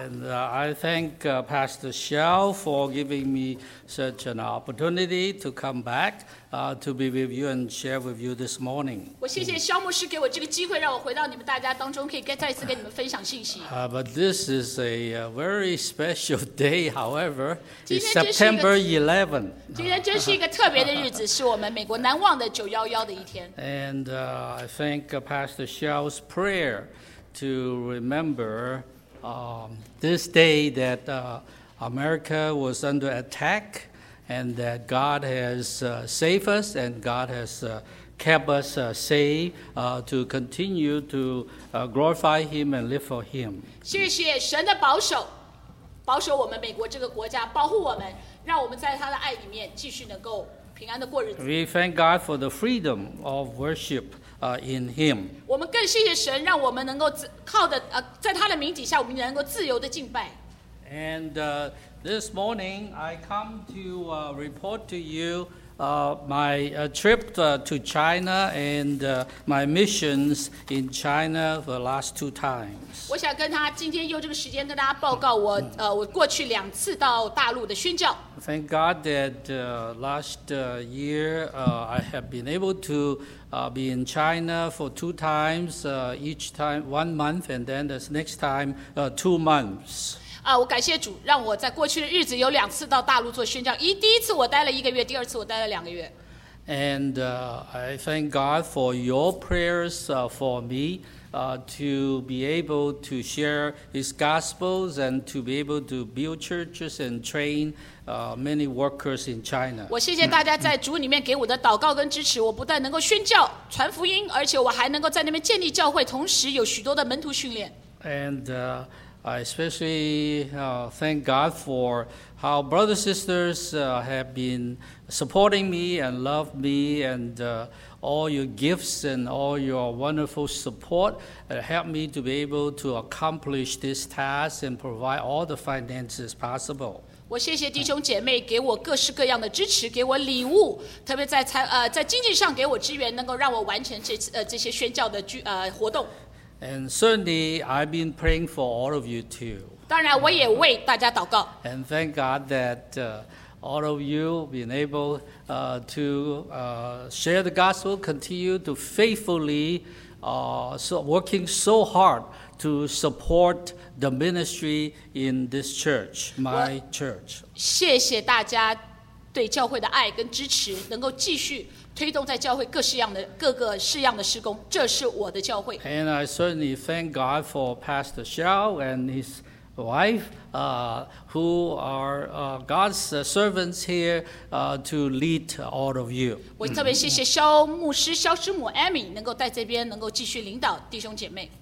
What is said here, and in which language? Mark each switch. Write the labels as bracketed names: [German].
[English] I thank Pastor Shell for giving me such an opportunity to come back to be with you and share with you this morning. [Chinese] 我谢谢肖牧师给我这个机会，让我回到你们大家当中，可以再次跟你们分享信息。 [English] But this is a very special day, however. It's September 11. [Chinese] 今天真是一个特别的日子，是我们美国难忘的911的一天。 [English] And I thank Pastor Shell's prayer. To remember this day that America was under attack and that God has saved us and God has kept us safe to continue to glorify Him and live for Him. [Chinese] 谢谢神的保守，保守我们美国这个国家，保护我们，让我们在他的爱里面继续能够平安的过日子。 [English] We thank God for the freedom of worship. In Him. [Chinese] 我们更谢谢神，让我们能够靠的在他的名底下，我们能够自由的敬拜。 [English] And this morning I come to report to you my trip to China and my missions in China for the last two times. [Chinese] 我想跟他今天用这个时间跟大家报告我过去两次到大陆的宣教。 [English] Thank God that last year I have been able to be in China for two times, each time 1 month, and then the next time 2 months. [Chinese] 我感谢主，让我在过去的日子有两次到大陆做宣教。第一次我待了一个月，第二次我待了两个月。 [English] And I thank God for your prayers for me to be able to share His gospels and to be able to build churches and train many workers in China. [Chinese] 我谢谢大家在主里面给我的祷告跟支持，我不但能够宣教、传福音，而且我还能够在那边建立教会，同时有许多的门徒训练。 [English] And I especially thank God for how brothers and sisters have been supporting me and love me and all your gifts and all your wonderful support help me to be able to accomplish this task and provide all the finances possible. [Chinese] 我谢谢弟兄姐妹给我各式各样的支持，给我礼物，特别在经济上给我支援，能够让我完成这些宣教的活动。 [English] And certainly, I've been praying for all of you too. [Chinese] 当然，我也为大家祷告。 [English] And thank God that all of you been able to share the gospel, continue to faithfully working so hard to support the ministry in this church, my church. [Chinese] 谢谢大家对教会的爱跟支持，能够继续。推动在教会各个式样的施工，这是我的教会。 [English] And I certainly thank God for Pastor Xiao and his wife, who are God's servants here, to lead all of you. [Chinese] 我特别谢谢肖牧师、肖师母 Amy 能够在这边能够继续领导弟兄姐妹。